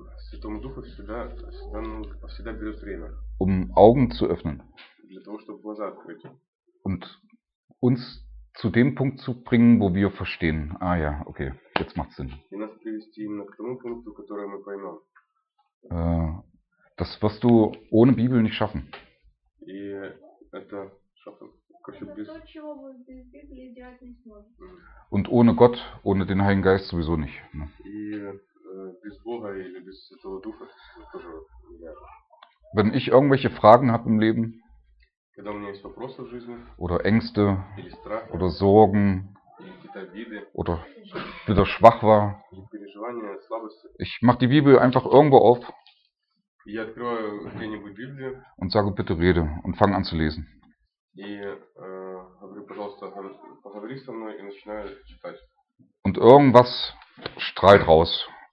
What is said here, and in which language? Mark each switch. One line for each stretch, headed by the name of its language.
Russian: Святому Духу всегда берет время.
German: Augen zu öffnen.
Russian: Для того, чтобы глаза открыть.
German: Und uns zu dem Punkt zu bringen, wo wir verstehen. Ah ja, okay, jetzt macht's Sinn.
Russian: И нас привести именно к тому пункту, который мы поймем.
German: Das wirst du ohne Bibel nicht schaffen.
Russian: И это schaffen. Короче, без... Это то, чего вы без Библии делать не сможете.
German: Und ohne Gott, ohne den Heiligen Geist sowieso nicht. Ne? И...
Russian: Без Бога или без Святого Духа тоже нереально.
German: Wenn ich irgendwelche Fragen habe im Leben,
Russian: когда у меня есть вопросы в жизни,
German: oder Ängste,
Russian: или страх,
German: oder Sorgen,
Russian: или какие-то обиды,
German: oder wieder schwach war,
Russian: или переживания, слабости,
German: ich mache die Bibel einfach irgendwo auf,
Russian: я открываю где-нибудь Библию,
German: und sage, bitte rede, und fange an zu lesen.
Russian: И говорю, пожалуйста, поговори со мной, и начинаю читать.
German: Und irgendwas strahlt raus.